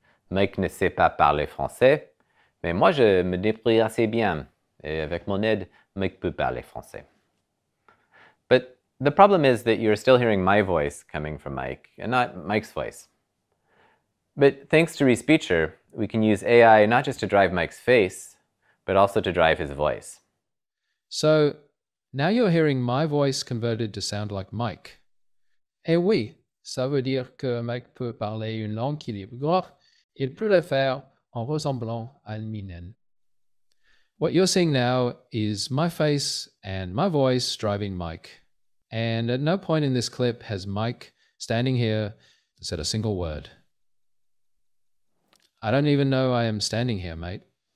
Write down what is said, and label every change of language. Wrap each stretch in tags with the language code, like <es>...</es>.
<fr>Mike ne sait pas parler français, mais moi je me débrouille assez bien, et avec mon aide, Mike peut parler français.</fr> <en>But the problem is that you're still hearing my voice coming from Mike, and not Mike's voice. But thanks to ReSpeecher, we can use AI not just to drive Mike's face, but also to drive his voice. So now you're hearing my voice converted to sound like Mike.</en> <fr>Eh oui. Ça veut dire que Mike peut parler une langue qu'il ignore. Il peut le faire en ressemblant à une mienne.</fr> <en>What you're seeing now is my face and my voice driving Mike. And at no point in this clip has Mike, standing here, said a single word. I don't even know I am standing here, mate.</en>